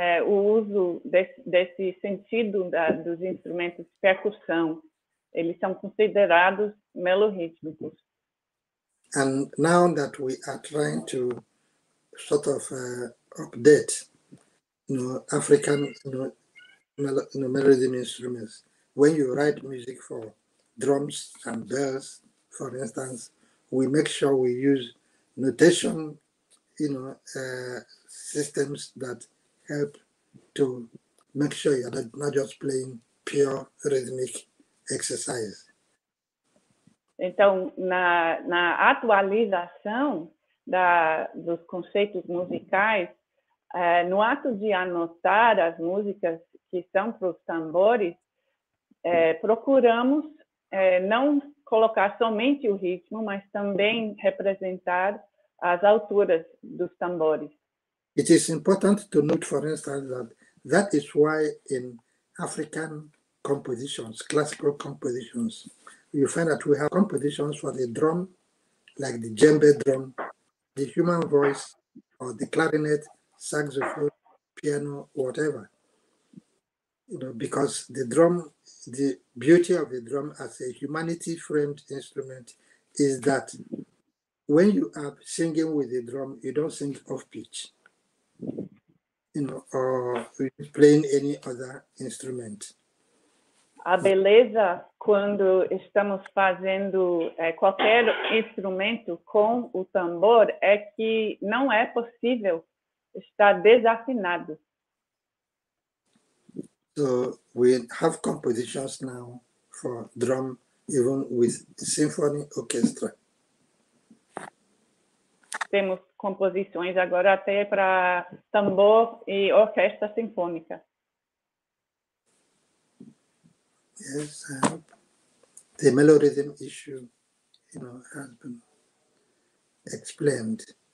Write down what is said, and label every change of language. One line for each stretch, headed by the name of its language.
Portuguese: o uso desse sentido dos instrumentos de percussão. Eles são considerados melorrítmicos.
English: And now that we are trying to sort of update, you know, African, you know, melodic instruments, when you write music for drums and bells, for instance, we make sure we use notation, you know, systems that help to make sure you're not just playing pure rhythmic exercise.
Portuguese: Então, na atualização dos conceitos musicais, no ato de anotar as músicas que são para os tambores, procuramos não colocar somente o ritmo, mas também representar as alturas dos tambores.
English: It is important to note, for instance, that is why in African compositions, classical compositions, you find that we have compositions for the drum, like the djembe drum, the human voice, or the clarinet, saxophone, piano, whatever. You know, because the drum, the beauty of the drum as a humanity-framed instrument is that when you are singing with the drum, you don't sing off-pitch, you know, or playing any other instrument.
Portuguese: A beleza quando estamos fazendo qualquer instrumento com o tambor é que não é possível estar desafinado.
English: So we have compositions now for drum, even with symphony orchestra.
Portuguese: Temos composições agora até para tambor e orquestra sinfônica.
English: Yes, I hope the melorhythm issue, you know, has been explained.